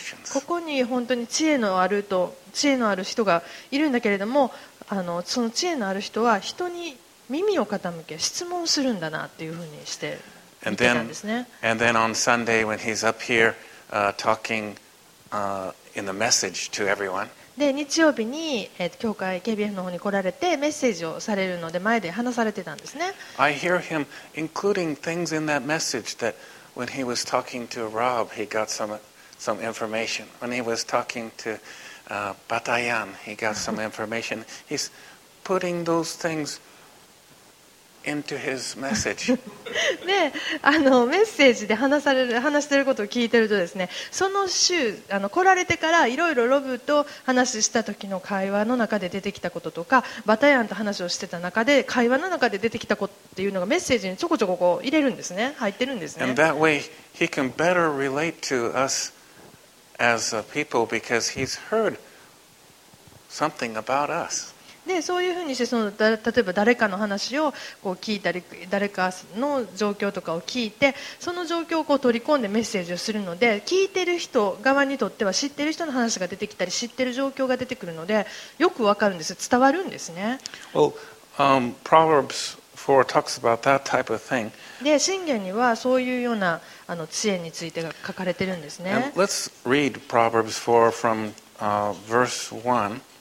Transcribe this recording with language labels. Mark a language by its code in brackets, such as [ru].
[ja] ここに本当に知恵のあると知恵のある人がいるんだけれども、その知恵のある人は人に耳を傾け質問するんだなっていうふうにして見てたんですね。 [en] And then on Sunday when he's up here talking in the message to everyone. [ja] で日曜日に、教会 KBF の方に来られてメッセージをされるので前で話されてたんですね。 [en] I hear him including things in that message that when he was talking to Rob, he got some information. When he was talking to Batayan, he got some information. He's putting those things into his message. [ja] で、メッセージで話してることを聞いてるとですね、その週来られてからいろいろロブと話した時の会話の中で出てきたこととか、バタヤンと話をしてた中で会話の中で出てきたことっていうのがメッセージにちょこちょ こう入れるんですね、入ってるんですね。 [en] And that way he can better relate to us as a people because he's heard something about us. [ja] でそういうふうにしてその例えば誰かの話をこう聞いたり誰かの状況とかを聞いてその状況をこう取り込んでメッセージをするので聞いてる人側にとっては知ってる人の話が出てきたり知ってる状況が出てくるのでよくわかるんです、伝わるんですね。 [en] Well, Proverbs 4 talks about that type of thing. [ja] で箴言にはそういうような知恵について書かれてるんですね。 [en] And let's read Proverbs 4 from verse 1.